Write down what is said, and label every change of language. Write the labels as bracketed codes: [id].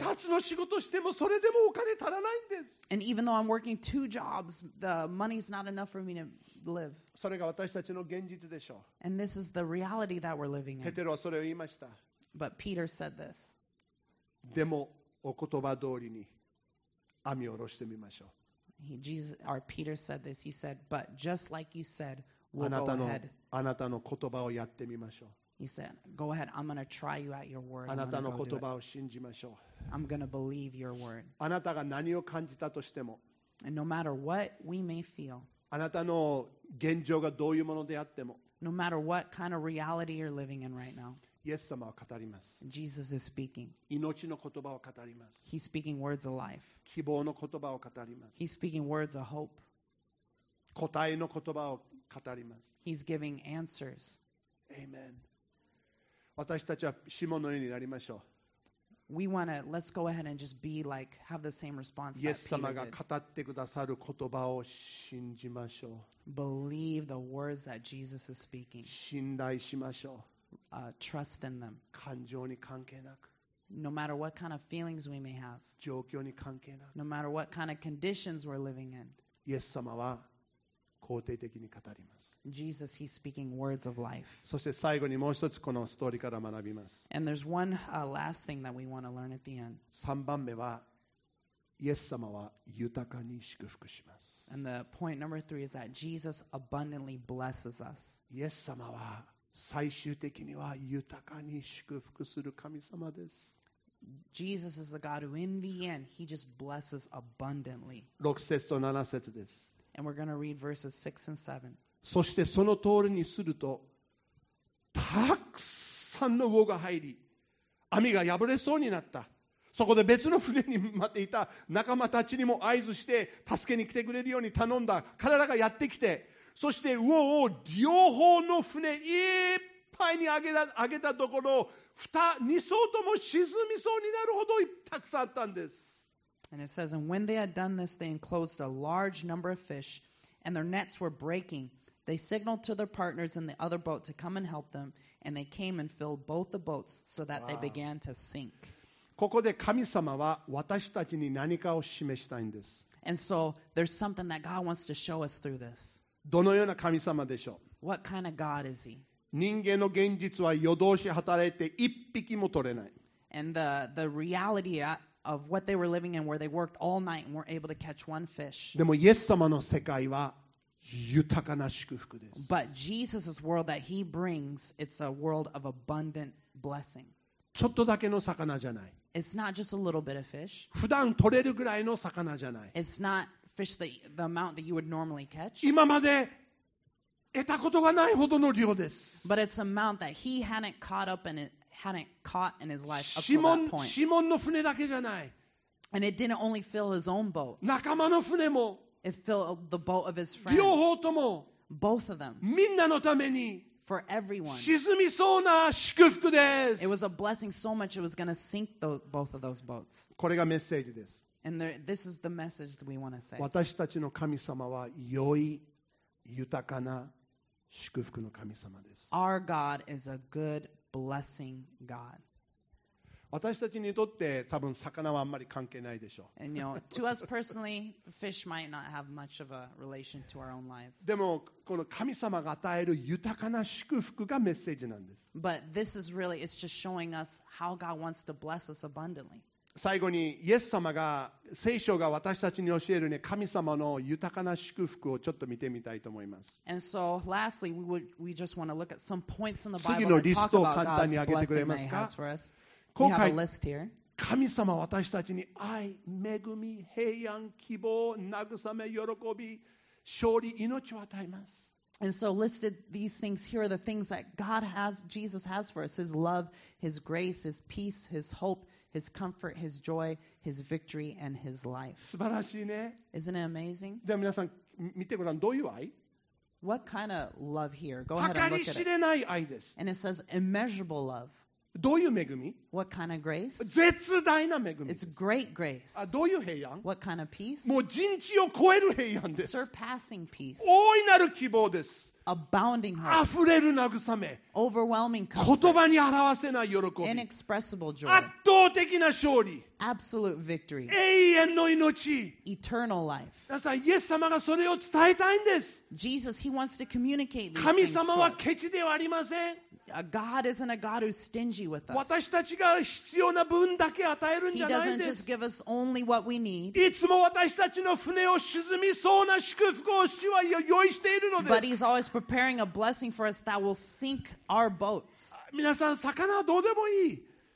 [ja] 二つの仕事してもそれでもお金足らないんです。 [en] And even though I'm working two jobs, the money's not enough for me to live. [ja] それが私たちの現実でしょう。 [en] And this is the reality that we're living in. [ja] ペテロはそれを言いました。 [en] But Peter said this. [ja] でもお言葉通りに。網を下ろしてみましょう。 [en] Peter said this. He said, but just like you said, [ja] あなたの言葉をやってみましょう。 [en] He said, go ahead, I'm going to try you at your word. [ja] あなたの言葉を信じましょう。 [en] I'm going to believe your word. [ja] あなたが何を感じたとしても。 [en] And no matter what we may feel. [ja] あなたの現状がどういうものであっても。 [en] No matter what kind of reality you're living in right now. [ja] イエス様は語ります。 [en] Jesus is speaking. [ja] 命の言葉を語ります。 [en] He's speaking words of life. [ja] 希望の言葉を語ります。 [en] He's speaking words of hope. [ja] 答えの言葉を語ります。 [en] He's giving answers. Amen. [ja] 私たちはシモンのようになりましょう。 [en] We want to, let's go ahead and just be like, have the same response that Peter did. [ja] イエス様が語ってくださる言葉を信じましょう。 [en] Believe the words that Jesus is speaking. [ja] 信頼しましょう。 [en] Trust in them. [ja] 感情に関係なく。 [en] No matter what kind of feelings we may have. [ja] 状況に関係なく。 [en] No matter what kind of conditions we're living in. [ja] イエス様は肯定的に語ります。 [en] Jesus, he's speaking words of life. [ja] そして最後にもう一つこのストーリーから学びます。 [en] And there's one last thing that we want to learn at the end. [ja] 三番目はイエス様は豊かに祝福します。 [en] And the point number three is that Jesus abundantly blesses us. [ja] イエス様は最終的には豊かに祝福する神様です。 [en] Jesus is the God who, in the end, He just blesses abundantly. [ja] 6節と7節です。 [en] And we're going to read verses 6 and 7. [ja] そしてその通りにすると、たくさんの魚が入り、網が破れそうになった。そこで別の船に待っていた仲間たちにも合図して、助けに来てくれるように頼んだ。彼らがやってきて、そして魚を両方の船いっぱいに上げたところ、2艘とも沈みそうになるほどたくさんあったんです。 [en] And it says, and when they had done this, they enclosed a large number of fish, and their nets were breaking. They signaled to their partners in the other boat to come and help them, and they came and filled both the boats so that they began to sink. [ja] ここで神様は私たちに何かを示したいんです。 [en] And so there's something that God wants to show us through this. [ja] どのような神様でしょう。 [en] What kind of God is he? [ja] 人間の現実は夜通し働いて一匹も取れない。 [en] And the reality of what they were living in, where they worked all night and weren't able to catch one fish. [ja] でもイエス様の世界は豊かな祝福です。 [en] But Jesus' world that he brings, it's a world of abundant blessing. [ja] ちょっとだけの魚じゃない。 [en] It's not just a little bit of fish. [ja] 普段取れるぐらいの魚じゃない。 [en] It's notfish the amount that you would normally catch. [ja] 今まで得たことがないほどの量です。 [en] But it's an amount that he hadn't caught up and hadn't caught in his life up to that point. [ja] シモンの船だけじゃない。 [en] And it didn't only fill his own boat. [ja] 仲間の船も。 [en] It filled the boat of his friend. [ja] 両方とも。 [en] Both of them. [ja] みんなのために。 [en] For everyone. [ja] 沈みそうな祝福です。 [en] It was a blessing so much it was going to sink both of those boats. [ja] これがメッセージです。 [en] And this is the message that we want to say. [ja] 私たちの神様は良い豊かな祝福の神様です。 [en] Our God is a good blessing God. [ja] 私たちにとって多分魚はあんまり関係ないでしょう。 [en] And you know, to us personally, fish might not have much of a relation to our own lives. [ja] でもこの神様が与える豊かな祝福がメッセージなんです。 [en] But this is really, it's just showing us how God wants to bless us abundantly. [ja] 最後にイエス様が聖書が私たちに教える、ね、神様の豊かな祝福をちょっと見てみたいと思います。 [en] And so, lastly, we just want to look at some points in the [ja] Bible. 次のリストを簡単に挙げてくれますか？今回、 [en] we have a list here. [ja] 神様は私たちに愛、恵み、平安、希望、慰め、喜び、勝利、命を与えます。 [en] And so listed these things here are the things that God has, Jesus has for us. His love, His grace, His peace, His hope. His comfort, His joy, His victory, and His life. [ja] 素晴らしいね。 [en] Isn't it amazing? [ja] では皆さん見てごらん。どういう愛? [en] What kind of love here? Go ahead and look at it. [ja] 計り知れない愛です。 [en] And it says immeasurable love. [ja] どういう恵み? [en] What kind of grace? [ja] 絶大な恵み。 [en] It's great grace. [ja] どういう平安? [en] What kind of peace? [ja] もう人知を超える平安です。 [en] Surpassing peace. [ja] 大いなる希望です。 [en] Abounding heart, [ja] 溢れる慰め、 [en] overwhelming comfort, [ja] 言葉に表せない喜び、 [en] inexpressible joy, [ja] 圧倒的な勝利、 [en] absolute victory, [ja] 永遠の命、 [en] eternal life。 [ja] 皆さん、イエス様がそれを伝えたいんです。 [en] Jesus, He wants to communicate these things to us. [ja] 神様はケチではありません。 [en] God isn't a God who's stingy with us. [ja] 私たちが必要な分だけ与えるんじゃないです。 [en] He doesn't just give us only what we need. [ja] いつも私たちの船を沈みそうな祝福を主は用意しているのです。 [en] But he's always preparing a blessing for us that will sink our boats. [ja] 皆さん、魚はどうでもいい。